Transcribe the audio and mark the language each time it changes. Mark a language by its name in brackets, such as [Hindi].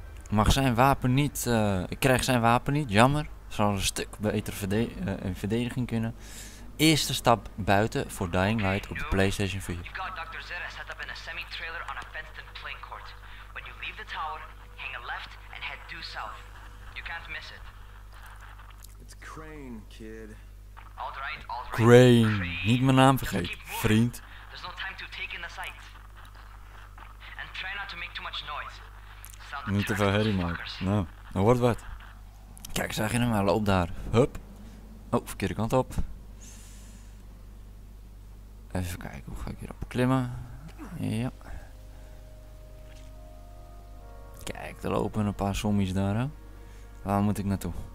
[Dutch] Mag zijn wapen niet. Ik krijg zijn wapen niet. Jammer. Zou een stuk beter in verdediging kunnen. Eerste stap buiten voor Dying Light op de PlayStation 4. [English] We got Dr. Zera set up in a semi-trailer on a fenced in plane court. When you leave the tower, hang a left and head due south. You can't miss it. It's Crane, kid. Alright, alright. Crane. [Dutch] Niet mijn naam vergeten, vriend. [English] There's no time to take in the sight. And try not to make too much noise. [Dutch] Niet te veel herrie maken. Nou, dan wordt wat. Kijk, zag je hem? Hij loopt daar. Hup. Oh, verkeerde kant op. Even kijken, hoe ga ik hierop klimmen? Ja. Kijk, er lopen een paar zombies daar. Hè. Waar moet ik naartoe?